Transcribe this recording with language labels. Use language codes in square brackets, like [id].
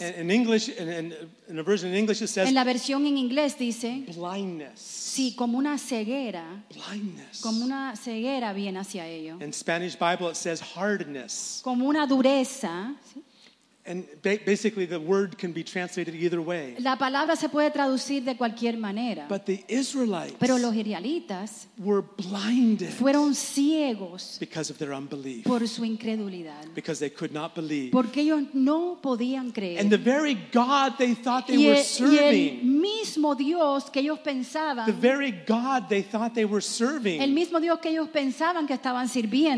[en] In English, in a version in English, it says. [es] En la versión en inglés dice. [en] Blindness. [es] Sí, como una ceguera. [en] Blindness. [es] Como una ceguera viene hacia ellos. [en] In Spanish Bible, it says hardness. [es] Como una dureza. [en] And basically the word can be translated either way. [es] La palabra se puede traducir de cualquier manera. [en] But the Israelites, [es] pero los israelitas, [en] were blinded, [es] fueron ciegos, [en] because of their unbelief, [es] por su incredulidad, [en] because they could not believe, [es] porque ellos no podían creer. [en] And the very God they thought they were serving, [es] y el mismo Dios que ellos pensaban, [en] the very God they thought they were serving, [es] el mismo Dios que ellos pensaban que estaban sirviendo,